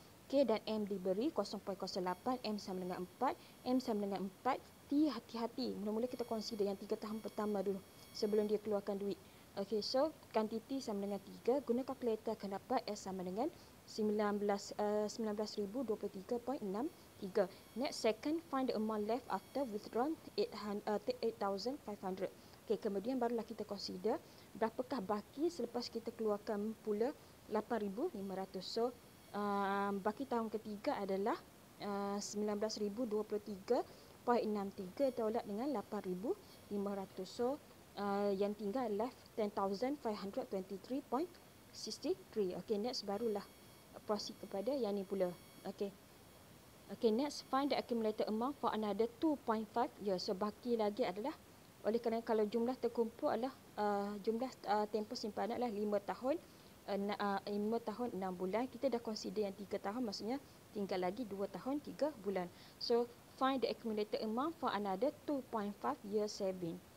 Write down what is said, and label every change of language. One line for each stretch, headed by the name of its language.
Malay: K dan M diberi 0.08, M sama dengan 4. M sama dengan 4. T, hati-hati. Mula-mula kita consider yang 3 tahun pertama dulu sebelum dia keluarkan duit. Okay, so kuantiti sama dengan 3. Guna kalkulator akan dapat S sama dengan 19,023.63.
English: Next, second, find the amount left after withdrawn 8,500.
Malay: Okay, kemudian barulah kita consider berapakah baki selepas kita keluarkan pula 8,500. So, baki tahun ketiga adalah 19,023.63 tolak dengan 8,500. So, yang tinggal left 10,523.63. Okay, next, barulah proceed kepada yang ni pula. Okay.
English: Okay, next, find the accumulated amount for another 2.5 years.
Malay: So, baki lagi adalah, oleh kerana kalau jumlah terkumpul adalah, jumlah tempoh simpanan adalah 5 tahun 6 bulan. Kita dah consider yang 3 tahun, maksudnya tinggal lagi 2 tahun 3 bulan.
English: So, find the accumulated amount for another 2.5 years saving.